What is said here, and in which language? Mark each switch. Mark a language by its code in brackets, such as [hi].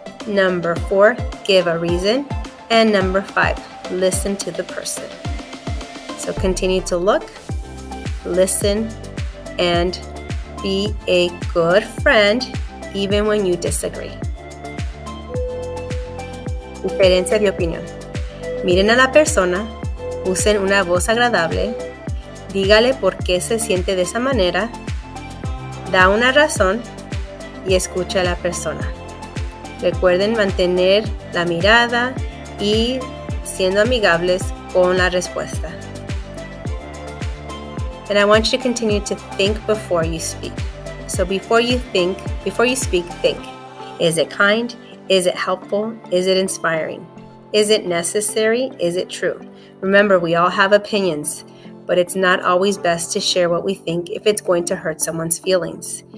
[en] Number 4, give a reason. And number 5, listen to the person. So continue to look, listen, and be a good friend even when you disagree. [es] Diferencia de opinión. Miren a la persona, usen una voz agradable, dígale por qué se siente de esa manera, da una razón y escucha a la persona. Recuerden mantener la mirada y siendo amigables con la respuesta. [en] And I want you to continue to think before you speak. So before you think, before you speak, think. Is it kind? Is it helpful? Is it inspiring? Is it necessary? Is it true? Remember, we all have opinions, but it's not always best to share what we think if it's going to hurt someone's feelings.